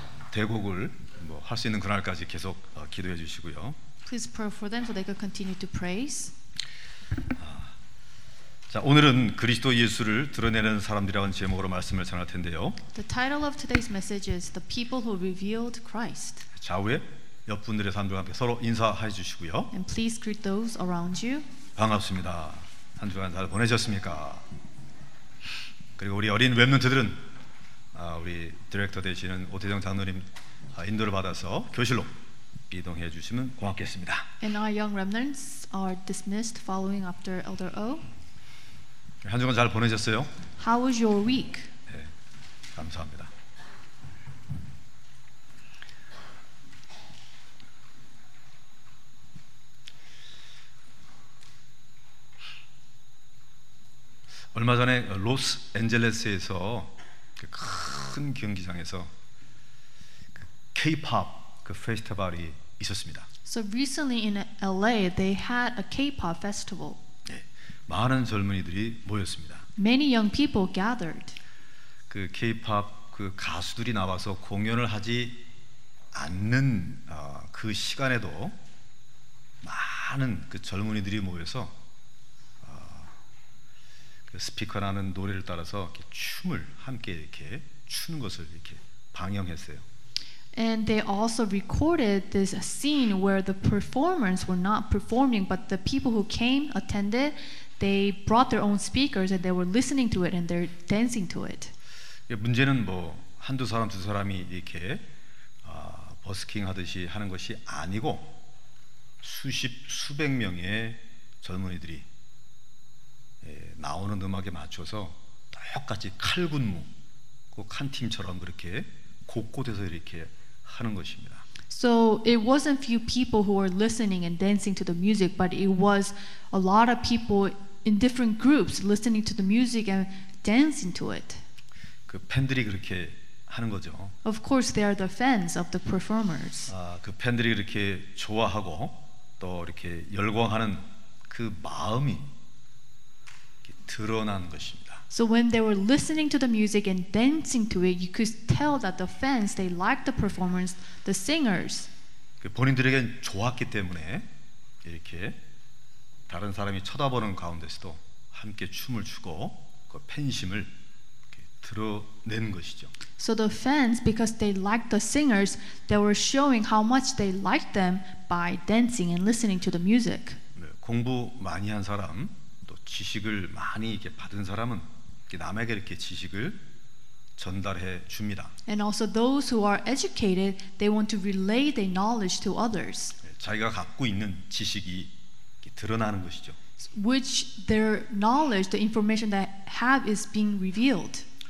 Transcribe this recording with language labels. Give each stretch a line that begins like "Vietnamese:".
Korean: 대곡을 뭐 할 수 있는 그날까지 계속 기도해 주시고요.
English: Please pray for them so they can continue to praise.
Korean: 자, 오늘은 그리스도 예수를 드러내는 사람들이라는 제목으로 말씀을 전할 텐데요.
English: The title of today's message is The People Who Revealed Christ.
Korean: 좌우에 옆 분들의 삶과 함께 서로 인사해 주시고요.
English: And please greet those around you.
Korean: 반갑습니다. 한 주간 잘 보내셨습니까? 그리고 우리 어린 웹눈트들은 우리 디렉터 되시는 오태정 장로님 인도를 받아서 교실로 이동해 주시면 고맙겠습니다.
English: And our young remnants are dismissed following after Elder O.
Korean: 한 주간 잘 보내셨어요?
English: How was your week?
Korean: 네, 감사합니다. 얼마 전에 로스앤젤레스에서 큰 경기장에서 K-pop 그 페스티벌이 있었습니다.
English: So recently in LA, they had a K-pop festival.
Korean: 네, 많은 젊은이들이 모였습니다.
English: Many young people gathered.
Korean: 그 K-pop 그 가수들이 나와서 공연을 하지 않는 그 시간에도 많은 그 젊은이들이 모여서 그 스피커라는 노래를 따라서 이렇게 춤을 함께 이렇게 추는 것을 이렇게 방영했어요.
English: And they also recorded this scene where the performers were not performing, but the people who came, attended, they brought their own speakers and they were listening to it and they're dancing to it.
Korean: 문제는 뭐 한두 사람, 두 사람이 이렇게 버스킹 하듯이 하는 것이 아니고 수십, 수백 명의 젊은이들이 나오는 음악에 맞춰서 똑같이 칼군무, 꼭 한 팀처럼 그렇게 곳곳에서 이렇게 하는 것입니다.
English: So it wasn't few people who were listening and dancing to the music, but it was a lot of people in different groups listening to the music and dancing to it.
Korean: 그 팬들이 그렇게 하는 거죠.
English: Of course, they are the fans of the performers.
Korean: 그 팬들이 이렇게 좋아하고 또 이렇게 열광하는 그 마음이 드러난 것입니다.
English: So when they were listening to the music and dancing to it, you could tell that the fans, they liked the performance, the singers.
Korean: 본인들에게는 좋았기 때문에 이렇게 다른 사람이 쳐다보는 가운데서도 함께 춤을 추고 그 팬심을 이렇게 드러낸 것이죠.
English: So the fans, because they liked the singers, they were showing how much they liked them by dancing and listening to the music.
Korean: 공부 많이 한 사람, 또 지식을 많이 이렇게 받은 사람은 남에게 이렇게 지식을 전달해 줍니다.
English: And also those who are educated, they want to relay their knowledge to others.
Korean: 자기가 갖고 있는 지식이 드러나는 것이죠.
English: Which their knowledge, the information that have is being revealed.